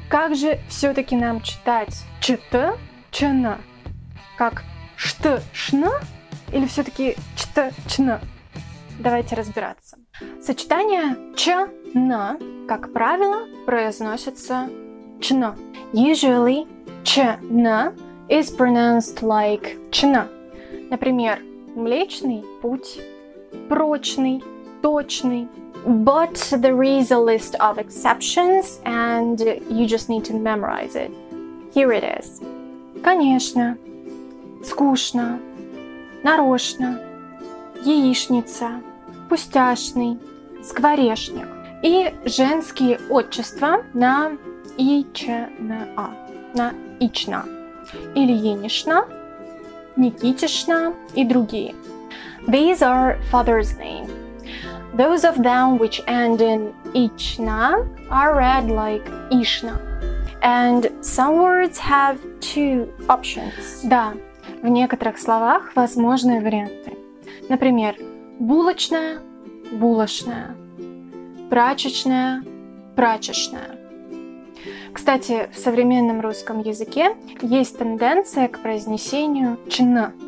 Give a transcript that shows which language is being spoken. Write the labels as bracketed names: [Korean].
[Russian] Как же все-таки нам читать ч-т, ч-н? Как шт-шна? Или все-таки ч-т-ч-н? Давайте разбираться. Сочетание ч-н, как правило, произносится ч-н. [English] Usually, ч-н is pronounced like ч-н. [Russian] Например, Млечный путь, прочный, точный. [English] But there is a list of exceptions, and you just need to memorize it. Here it is. [Russian] Конечно, скучно, нарочно, яичница, пустяшный, скворечник. И женские отчества на ИЧНА, на ИЧНА. Ильинична, Никитишна и другие. [English] These are father's name. Those of them which end in ichna are read like ishna. And some words have two options. [Russian] Да, в некоторых словах возможны варианты. Например, булочная – булочная, прачечная – прачечная. Кстати, в современном русском языке есть тенденция к произнесению ч-н.